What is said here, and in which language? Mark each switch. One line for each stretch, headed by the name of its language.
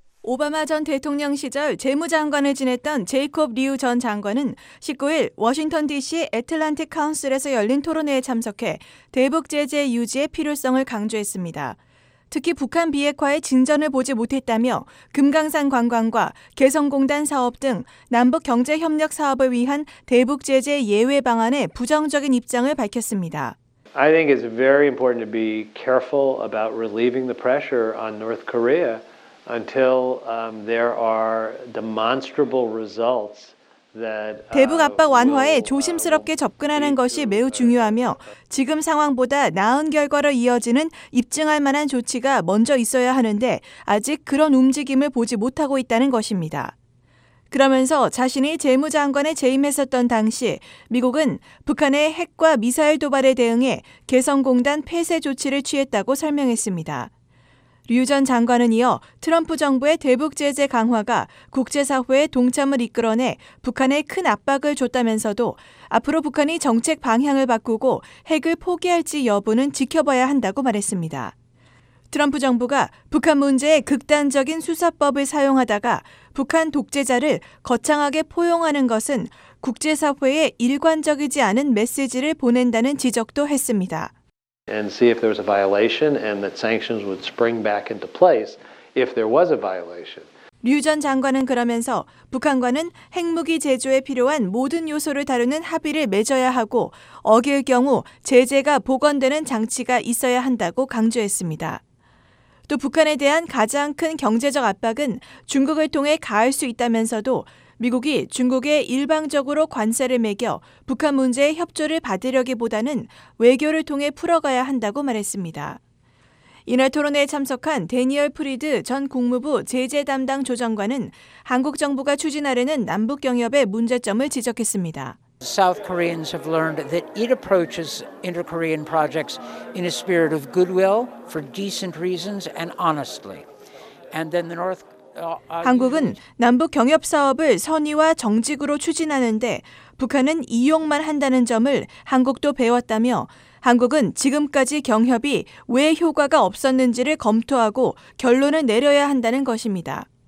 Korean: 오바마 전 대통령 시절 재무장관을 지냈던 제이콥 리우 전 장관은 19일 워싱턴 DC 애틀란틱 카운슬에서 열린 토론회에 참석해 대북 제재 유지의 필요성을 강조했습니다. 특히 북한 비핵화의 진전을 보지 못했다며 금강산 관광과 개성공단 사업 등 남북 경제 협력 사업을 위한 대북 제재 예외 방안에 부정적인 입장을 밝혔습니다.
English: I think it's very important to be careful about relieving the pressure on North Korea until there are demonstrable results.
Korean: 대북 압박 완화에 조심스럽게 접근하는 것이 매우 중요하며 지금 상황보다 나은 결과로 이어지는 입증할 만한 조치가 먼저 있어야 하는데 아직 그런 움직임을 보지 못하고 있다는 것입니다. 그러면서 자신이 재무장관에 재임했었던 당시 미국은 북한의 핵과 미사일 도발에 대응해 개성공단 폐쇄 조치를 취했다고 설명했습니다. 류 전 장관은 이어 트럼프 정부의 대북 제재 강화가 국제사회의 동참을 이끌어내 북한에 큰 압박을 줬다면서도 앞으로 북한이 정책 방향을 바꾸고 핵을 포기할지 여부는 지켜봐야 한다고 말했습니다. 트럼프 정부가 북한 문제에 극단적인 수사법을 사용하다가 북한 독재자를 거창하게 포용하는 것은 국제사회에 일관적이지 않은 메시지를 보낸다는 지적도 했습니다.
English: And see if there was a violation and that sanctions would spring back into place if there was a violation.
Korean: 류 전 장관은 그러면서 북한과는 핵무기 제조에 필요한 모든 요소를 다루는 합의를 맺어야 하고 어길 경우 제재가 복원되는 장치가 있어야 한다고 강조했습니다. 또 북한에 대한 가장 큰 경제적 압박은 중국을 통해 가할 수 있다면서도 미국이 중국에 일방적으로 관세를 매겨 북한 문제에 협조를 받으려기보다는 외교를 통해 풀어가야 한다고 말했습니다. 이날 토론회에 참석한 대니얼 프리드 전 국무부 제재 담당 조정관은 한국 정부가 추진하려는 남북 경협의 문제점을 지적했습니다.
English: South Koreans have learned that it approaches inter-Korean projects in a spirit of goodwill for decent reasons and honestly. And then the North
Korean: 한국은 남북 경협 사업을 선의와 정직으로 추진하는데 북한은 이용만 한다는 점을 한국도 배웠다며 한국은 지금까지 경협이 왜 효과가 없었는지를 검토하고 결론을 내려야 한다는 것입니다.